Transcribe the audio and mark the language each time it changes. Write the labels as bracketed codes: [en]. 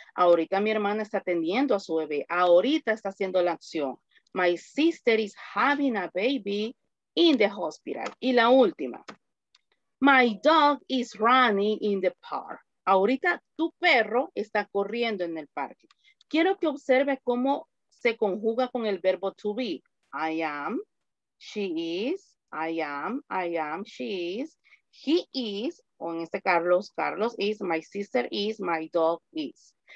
[es] Ahorita mi hermana está atendiendo a su bebé. Ahorita está haciendo la acción. [en] My sister is having a baby in the hospital. [es] Y la última. [en] My dog is running in the park. [es] Ahorita tu perro está corriendo en el parque. Quiero que observe cómo se conjuga con el verbo to be. [en] I am, she is, I am, she is, he is, [es] o en este [en] Carlos, Carlos is, my sister is, my dog is.